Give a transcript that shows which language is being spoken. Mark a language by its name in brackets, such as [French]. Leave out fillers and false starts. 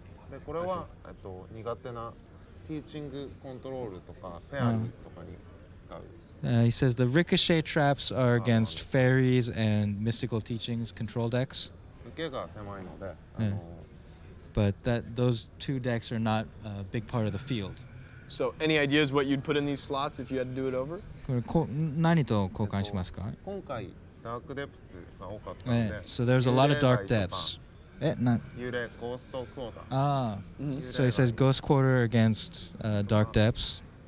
[Japanese] でこれは苦手なティーチングコントロールとかペアリーとかに使う。 [English] He says the ricochet traps are against fairies and mystical teachings control decks. [Japanese] 受けが狭いので。 [English] But those two decks are not a big part of the field. So any ideas what you'd put in these slots if you had to do it over? [Japanese] これ何と交換しますか？今回ダークデプスが多かったので。 [English] So there's a lot of dark depths. So he says Ghost Quarter against Dark Depths.